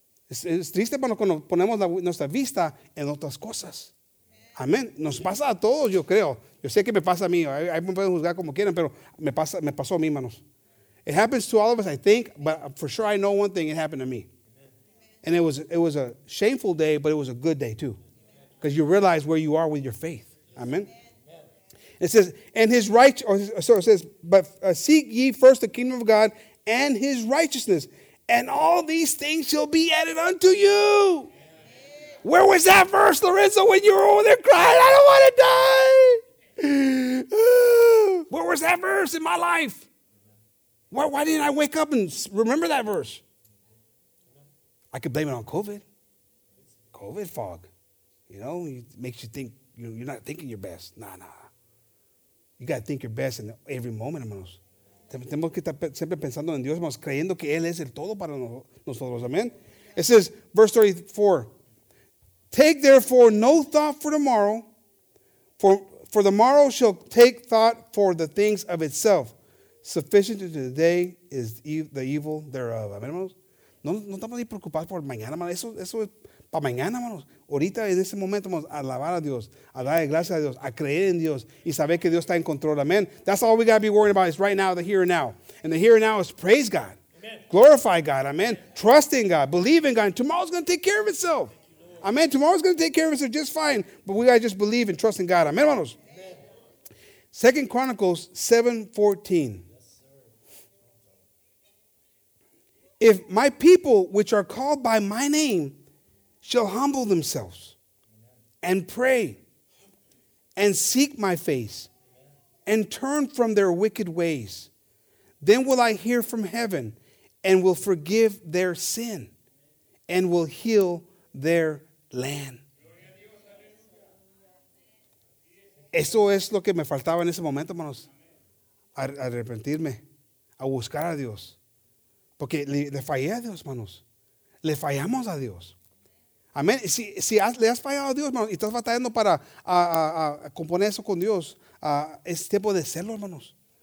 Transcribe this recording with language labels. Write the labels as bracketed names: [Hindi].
[Spanish] Es triste cuando ponemos nuestra vista en otras cosas. Amén. Nos pasa a todos, yo creo. Yo sé que me pasa a mí. Ahí me pueden juzgar como quieran, pero me pasó a mí, manos. [English] It happens to all of us, I think, but for sure I know one thing, it happened to me. And it was a shameful day, but it was a good day too. Because you realize where you are with your faith. Amen. It says, and his righteousness, so it says, but seek ye first the kingdom of God and his righteousness, and all these things shall be added unto you. Where was that verse, Lorenzo, when you were over there crying, I don't want to die? Where was that verse in my life? Why didn't I wake up and remember that verse? I could blame it on COVID. COVID fog. You know, it makes you think you're not thinking your best. Nah. You got to think your best in every moment, hermanos. [Spanish] Tenemos que estar siempre pensando en Dios, hermanos, creyendo que Él es el todo para nosotros. Amen. [English] It says, verse 34, take therefore no thought for tomorrow, for the morrow shall take thought for the things of itself. Sufficient to the day is the evil thereof. [Spanish] Amen, hermanos. No estamos ni preocupados por mañana, hermanos. Eso es para mañana, hermanos. Ahorita, en ese momento, vamos a alabar a Dios, a darle gracias a Dios, a creer en Dios y saber que Dios está en control. Amen. [English] That's all we got to be worrying about is right now, the here and now. And the here and now is praise God. Amen. Glorify God. Amen. Trust in God. Believe in God. And tomorrow's going to take care of itself. Amen. Tomorrow's going to take care of itself just fine. But we got to just believe and trust in God. Amen, hermanos. 2 Chronicles 7:14. If my people, which are called by my name, shall humble themselves and pray and seek my face and turn from their wicked ways, then will I hear from heaven and will forgive their sin and will heal their land. [Spanish] Eso es lo que me faltaba en ese momento, hermanos. Arrepentirme. A buscar a Dios. Porque le fallé a Dios, hermanos. Le fallamos a Dios. Amén. Si le has fallado a Dios, hermanos, y estás batallando para componer eso con Dios, es tiempo de hacerlo, hermanos.